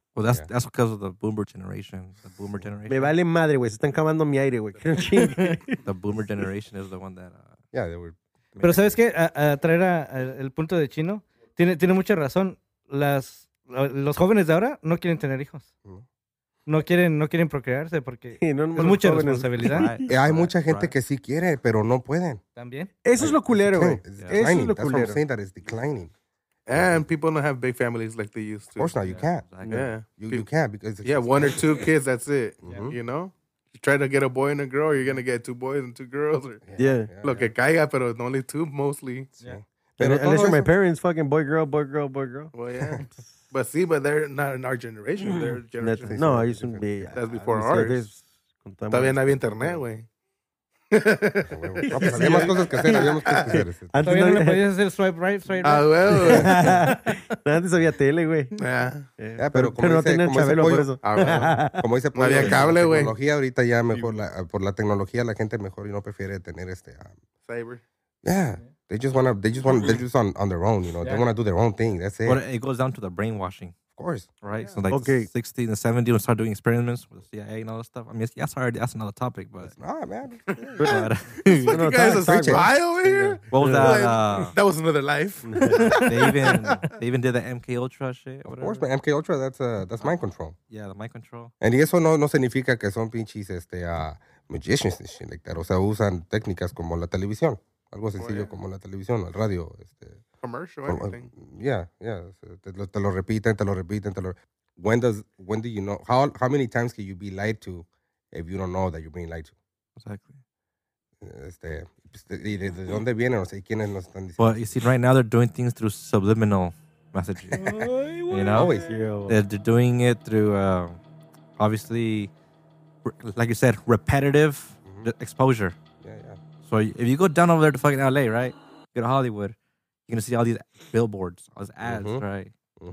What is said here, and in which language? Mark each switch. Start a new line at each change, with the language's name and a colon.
English: Well, that's yeah. That's because of the boomer generation. The boomer generation.
Spanish: Me vale madre, güey. Se están acabando mi aire, güey.
English: The boomer generation is the one that... Yeah, they were...
Spanish: Pero ¿sabes qué? A traer el punto de Chino, tiene mucha razón. Los jóvenes de ahora no quieren tener hijos. No quieren procrearse porque es mucha responsabilidad. Hay mucha gente que sí quiere, pero no pueden. También. Eso es lo culero, güey. Eso es lo culero.
English: That's what I'm saying, that is declining. And people don't have big families like they used to. Of course not, you can't. Yeah. You can't because... Yeah, one or two kids, that's it. You know? Try to get a boy and a girl, you're going to get two boys and two girls. Yeah.
Spanish: Lo que caiga, pero
English: only two, mostly.
Spanish: Yeah.
English: Pero unless you're my parents, fucking boy, girl. Well, yeah. But see, but they're not in our generation. They're generation. No, I used to be. That's before ours.
Spanish: Todavía no había internet, güey. Había más cosas que hacer, había más cosas que hacer. Todavía no podías hacer swipe right,
English: Ah, well.
Spanish: Antes había tele, güey.
English: Yeah. Pero
Spanish: no tenía Chabelo por eso. Como dice, no había cable, güey. Tecnología ahorita ya mejor, por la tecnología la gente mejor y no prefiere tener
English: Cyber. Yeah. They just want they're just on their own, you know. They want to do their own thing. That's it. But it goes down to the brainwashing. Of course. Right? Yeah. So like okay. 60s and 70s, we start doing experiments with the CIA and all that stuff. I mean, yes, sorry, that's another topic, but... It's not, man. You guys are spy over here? What was that? That was another life. they even did the MK Ultra shit. Of course, but MK Ultra, that's mind control. Yeah, the mind control.
Spanish: And eso no significa que son pinches
English: magicians and shit like that.
Spanish: O sea, usan técnicas como la televisión. Algo sencillo como la televisión, el radio,
English: commercial, anything. Yeah, yeah.
Spanish: Te lo repiten.
English: When do you know? How many times can you be lied to if you don't know that you're being lied to? Exactly.
Spanish: Y de dónde vienen, o sea, quiénes nos están
English: diciendo. Well, you see, right now they're doing things through subliminal messaging. You know? Always. They're doing it through, obviously, like you said, repetitive exposure. Yeah. So if you go down over there to fucking LA, right? Go to Hollywood. You're going to see all these billboards, all these ads, right? Mm-hmm.